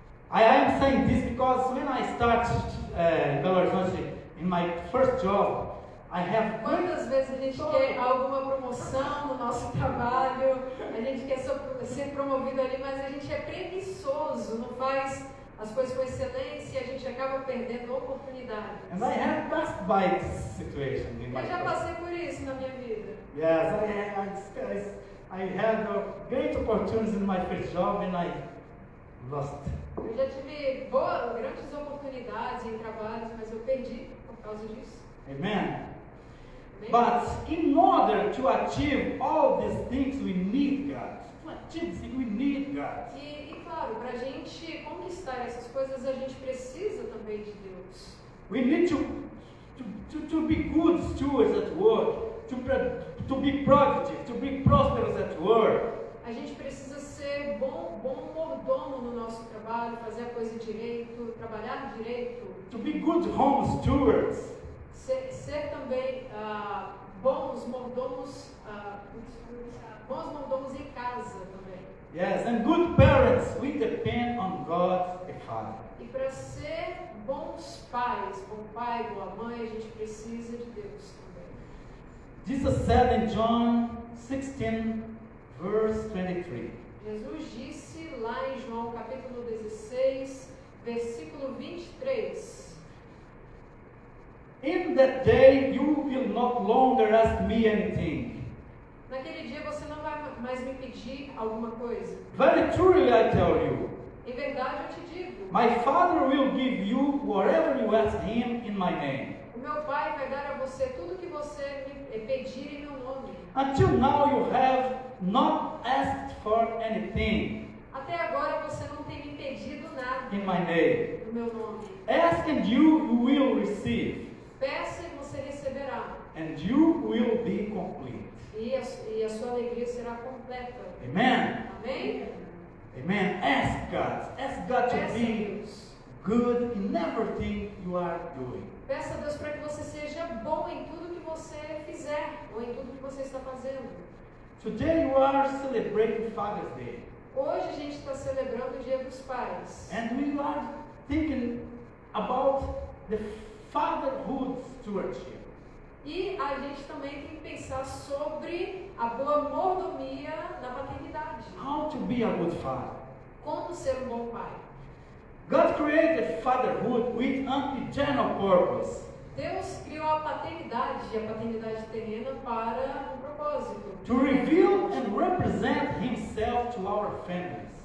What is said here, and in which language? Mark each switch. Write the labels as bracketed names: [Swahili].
[English] I am saying this because when I start Belo Horizonte in my first job, I have. [Portuguese] Quantas vezes a gente quer alguma promoção no nosso trabalho? A gente quer ser promovido ali, mas a gente é preguiçoso, não faz as coisas com excelência e a gente acaba perdendo oportunidades. [English] And I have passed by this situation in my [Portuguese] life. Eu já passei por isso na minha vida. [English] Yes, I had a great opportunity in my first job and I lost. [Portuguese] Eu já tive grandes oportunidades em trabalhos, mas eu perdi por causa disso. [English] Amen. But in order to achieve all these things, we need God. To achieve things, we need God. [Portuguese] E claro, para a gente conquistar essas coisas, a gente precisa também de Deus. [English] We need to be good stewards at work, to be productive, to be prosperous at work. [Portuguese] A gente precisa ser bom mordomo no nosso trabalho, fazer a coisa direito, trabalhar direito. [English] To be good home stewards. [Portuguese] Ser também bons mordomos em casa também. [English] Yes, and good parents, we depend on God the Father. [Portuguese] E para ser bons pais, bom pai, boa mãe, a gente precisa de Deus também. [English] Jesus said in John 16, verse 23. [Portuguese] Jesus disse lá em João capítulo 16, versículo 23. [English] In that day you will no longer ask me anything. [Portuguese] Naquele dia você não vai mais me pedir alguma coisa. [English] Very truly I tell you. [Portuguese] Em verdade eu te digo. [English] My Father will give you whatever you ask him in my name. [Portuguese] O meu Pai vai dar a você tudo que você me pedir em meu nome. [English] Until now you have not asked for anything. [Portuguese] Até agora você não tem me pedido nada. [English] In my name. [Portuguese] No meu nome. [English] Ask and you will receive. [Portuguese] Peça e você receberá. [English] And you will be complete. [Portuguese] E a sua alegria será completa. [English] Amen. [Portuguese] Amém? [English] Amen. Ask God. Ask God [Portuguese] peça [English] to be [Portuguese] Deus. [English] Good in everything you are doing. [Portuguese] Peça a Deus para que você seja bom em tudo que você fizer ou em tudo que você está fazendo. [English] Today you are celebrating Father's Day. [Portuguese] Hoje a gente está celebrando o Dia dos Pais. [English] And we are thinking about the Fatherhood stewardship. [Portuguese] E a gente também tem que pensar sobre a boa mordomia na maternidade. [English] How to be a good father? [Portuguese] Como ser um bom pai? [English] God created fatherhood with an eternal purpose. [Portuguese] Deus criou a paternidade terrena para um propósito. [English] To reveal and represent Himself to our families.